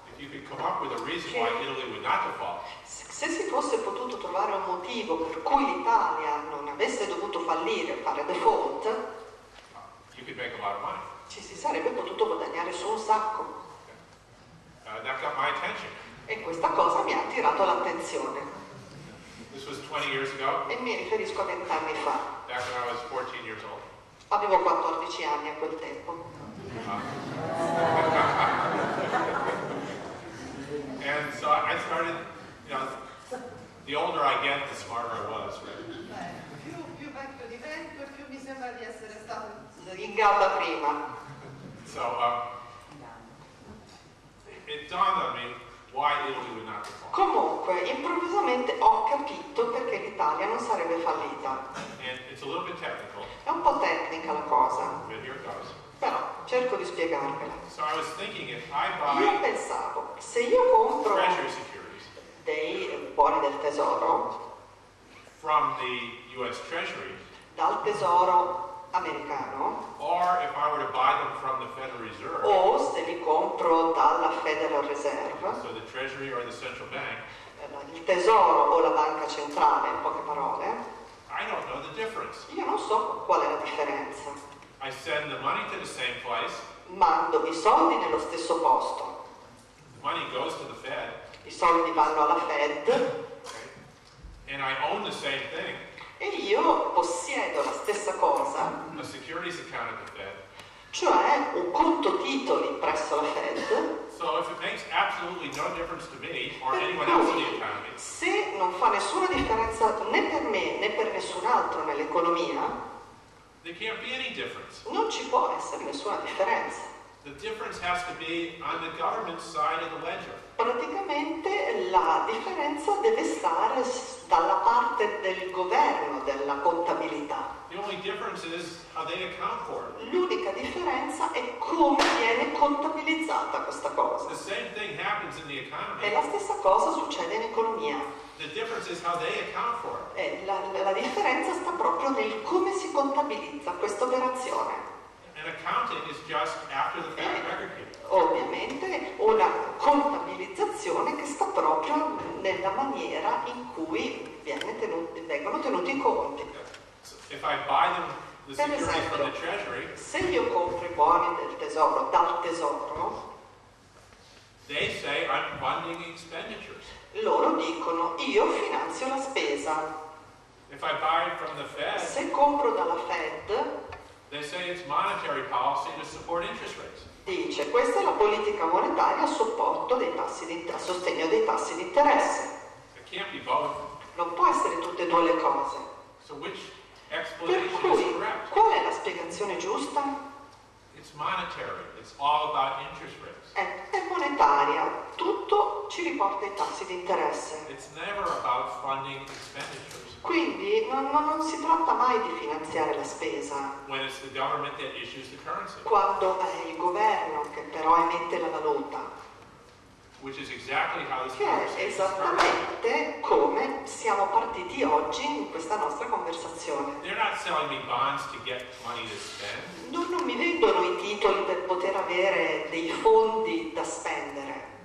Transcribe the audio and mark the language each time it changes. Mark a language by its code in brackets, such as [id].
[en] if you could come up with a reason why Italy would not default. [it] Se si fosse potuto trovare un motivo per cui l'Italia non avesse dovuto fallire, fare default, [en] you could make a lot of money. [it] Ci si sarebbe potuto guadagnare su un sacco. [en] Okay. That got my attention. [it] E questa cosa mi ha attirato l'attenzione. [en] This was 20 years ago. [it] E mi riferisco a 20 anni fa. [en] Back when I was 14 years old. [it] Avevo 14 anni a quel tempo. [en] And so I started, you know, the older I get, the smarter I was, right? So it dawned on me why Italy would not fall. [it] Comunque, improvvisamente ho capito perché l'Italia non sarebbe fallita. [en] And it's a little bit technical. [it] È un po' tecnica la cosa. [en] But here it goes. [it] Però cerco di spiegarvela. [en] So I was thinking if I buy [it] io pensavo, se io compro [en] treasury securities [it] dei buoni del tesoro [en] from the US Treasury [it] dal tesoro americano, [en] or if I were to buy them from the Federal Reserve, [it] o se li compro dalla Federal Reserve, [en] so the Treasury or the Central Bank, [it] il tesoro o la banca centrale, in poche parole, [en] I don't know the difference. [it] Io non so qual è la differenza. [en] I send the money to the same place, [it] mando i soldi nello stesso posto. [en] The money goes to the Fed, [it] i soldi vanno alla Fed, [en] and I own the same thing. [it] E io possiedo la stessa cosa, [en] a securities account at the Fed. [it] Cioè un conto titoli presso la Fed. [en] So if it makes absolutely no difference to me or anyone else in the economy, [it] se non fa nessuna differenza né per me né per nessun altro nell'economia, [en] there can't be any difference. [it] Non ci può essere nessuna differenza. [en] The difference has to be on the government side of the ledger. [it] Praticamente la differenza deve stare dalla parte del governo, della contabilità. [en] The only difference is how they account for it. [it] L'unica differenza è come viene contabilizzata questa cosa. [en] The same thing happens in the economy. [it] E la stessa cosa succede in economia. [en] The difference is how they account for it. [it] E la differenza sta proprio nel come si contabilizza questa operazione. [en] An accounting is just after the fact record keeping. [it] Ovviamente una contabilizzazione che sta proprio nella maniera in cui vengono tenuti i conti. [en] If I buy them the securities from the treasury, [it] se io compro i buoni del tesoro dal tesoro, [en] they say I'm funding expenditures. [it] Loro dicono io finanzio la spesa. [en] If I buy it from the Fed, [it] se compro dalla Fed, [en] they say it's monetary policy to support interest rates. [it] Dice, questa è la politica monetaria a supporto dei tassi a sostegno dei tassi di interesse. [en] It can't be both. [it] Non può essere tutte e due le cose. [en] So which explanation [it] per cui, [en] is correct? [it] Qual è la spiegazione giusta? [en] It's monetary. It's all about interest rates. [it] È monetaria. Tutto ci riporta ai tassi di interesse. [en] It's never about funding expenditures. [it] Quindi non si tratta mai di finanziare la spesa. [en] When it's the government that issues the currency. [it] Quando è il governo che però emette la valuta. [en] Which is exactly how this [it] che è esattamente come siamo partiti oggi in questa nostra conversazione. [en] They're not selling me bonds to get money to spend. [it] Non mi vendono i titoli per poter avere dei fondi da spendere.